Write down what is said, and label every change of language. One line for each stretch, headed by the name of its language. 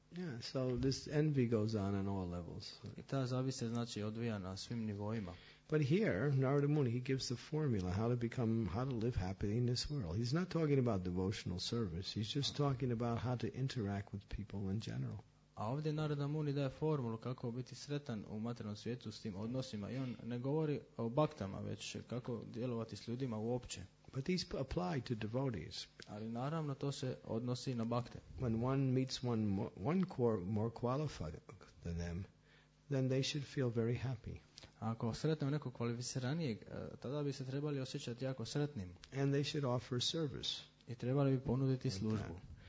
English: Yeah, so this envy goes on all levels.
Croatian: I ta zavist se znači odvija na svim nivoima.
English: But here, Narada Muni, he gives the formula how to live happy in this world. He's not talking about devotional service. He's just talking about how to interact with people in general.
Croatian: A ovdje Narada Muni daje formulu kako biti sretan u materijalnom svijetu s tim odnosima. I on ne govori o baktama, već kako djelovati s ljudima uopće.
English: But these apply to devotees.
Croatian: Ali naravno to se odnosi na bakte.
English: When one meets one more qualified than them, then they should feel very happy.
Croatian: Ako sretnemo nekog kvalificiranijeg, tada bi se trebali osjećati jako sretnim.
English: And they should offer service.
Croatian: I trebali bi ponuditi službu.